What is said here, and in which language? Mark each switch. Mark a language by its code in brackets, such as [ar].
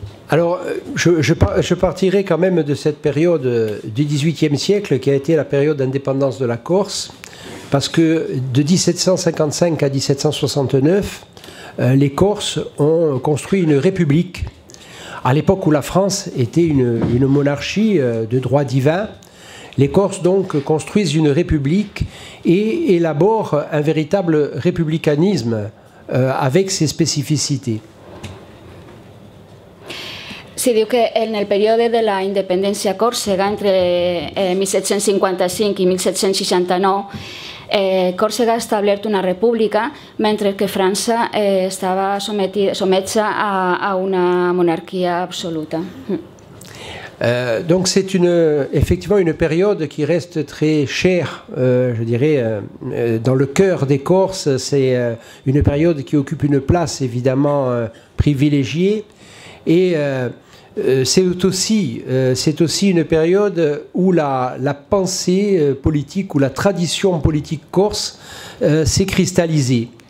[fr] Alors, je partirai quand même de cette période du XVIIIe siècle qui a été la période d'indépendance de la Corse, parce que de 1755 à 1769, les Corses ont construit une république. À l'époque où la France était une monarchie de droit divin, les Corses donc construisent une république et élaborent un véritable républicanisme avec ses spécificités. [ca] Sí, diu que en el període de la independència Còrsega, entre 1755 i 1769, Còrsega ha establert una república, mentre que França estava sometida a una monarquia absoluta. [fr] Donc c'est effectivement une période qui reste très chère, dans le cœur des Corses. C'est une période qui occupe une place évidemment privilégiée. Et C'est aussi une période où la pensée politique ou la tradition politique corse s'est cristallisée.